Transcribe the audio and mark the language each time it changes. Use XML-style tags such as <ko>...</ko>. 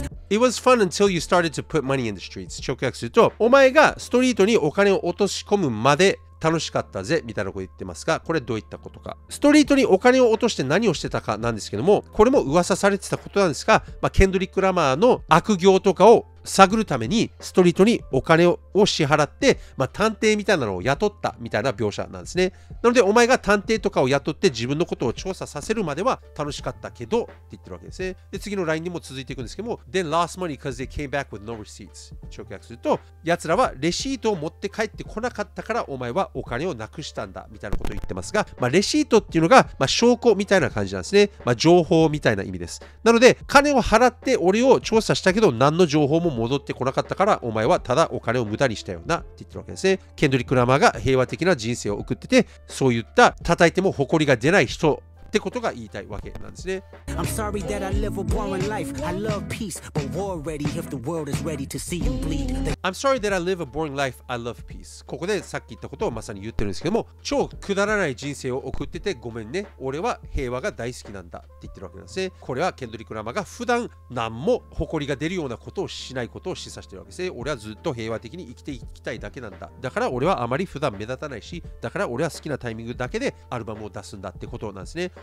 <en>It was fun until you started to put money in the streets.</en> <ja>直訳すると、お前がストリートにお金を落とし込むまで楽しかったぜみたいなこと言ってますが、これどういったことか、ストリートにお金を落として何をしてたかなんですけども、これも噂されてたことなんですが、まあ、ケンドリック・ラマーの悪行とかを探るためにストリートにお金を支払って、まあ、探偵みたいなのを雇ったみたいな描写なんですね。なのでお前が探偵とかを雇って自分のことを調査させるまでは楽しかったけどって言ってるわけですね。で次のラインにも続いていくんですけども</ja> <en>Then lost money because they came back with no receipts</en> <ja>直訳するとやつらはレシートを持って帰ってこなかったからお前はお金をなくしたんだみたいなことを言ってますが、まあ、レシートっていうのが、まあ、証拠みたいな感じなんですね、まあ、情報みたいな意味です。なので金を払って俺を調査したけど何の情報も戻ってこなかったからお前はただお金を無駄にしたよなって言ってるわけですね。ケンドリック・ラマーが平和的な人生を送っててそういった叩いても誇りが出ない人ってことが言いたいわけなんですね。</ja> <en>I'm sorry that I live a boring life. I love peace, but war ready if the world is ready to see you bleed. I'm sorry that I live a boring life. I love peace.</en> <ja>ここでさっき言ったことをまさに言ってるんですけども、超くだらない人生を送っててごめんね。俺は平和が大好きなんだって言ってるわけなんですね。これはケンドリック・ラマーが普段何も誇りが出るようなことをしないことを示唆してるわけですね。俺はずっと平和的に生きていきたいだけなんだ。だから俺はあまり普段目立たないし、だから俺は好きなタイミングだけでアルバムを出すんだってことなんですね。</ja>